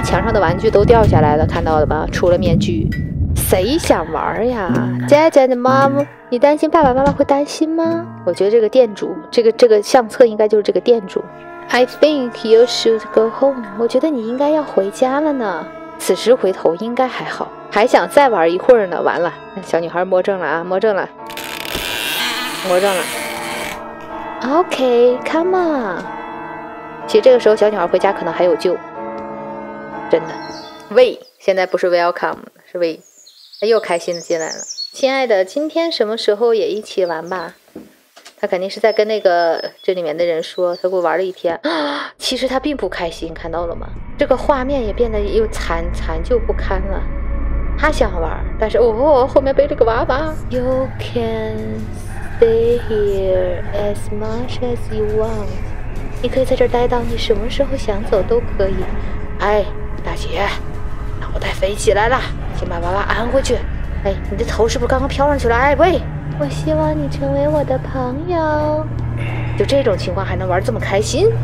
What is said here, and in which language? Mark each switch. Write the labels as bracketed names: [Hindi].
[Chinese] 墙上的玩具都掉下来了，看到了吧？除了面具。谁想玩呀 ？ [English] Dad and Mom， [Chinese] 你担心爸爸妈妈会担心吗？我觉得这个店主，这个相册应该就是这个店主。 [English] I think you should go home。 [Chinese] 我觉得你应该要回家了呢。此时回头应该还好，还想再玩一会儿呢。完了，小女孩魔怔了啊，魔怔了，魔怔了。 [English] Okay, come on。 [Chinese] 其实这个时候小女孩回家可能还有救，真的。喂，现在不是 welcome， 是喂。他又开心的进来了，亲爱的，今天什么时候也一起玩吧？他肯定是在跟那个这里面的人说，他给我玩了一天、其实他并不开心，看到了吗？这个画面也变得又残旧不堪了。他想玩，但是后面背着个娃娃。 [English] You can stay here as much as you want。 [Chinese] 你可以在这儿待到你什么时候想走都可以。哎，大姐，脑袋飞起来了。先把娃娃安回去。哎，你的头是不是刚刚飘上去了？哎，喂！我希望你成为我的朋友。就这种情况还能玩这么开心，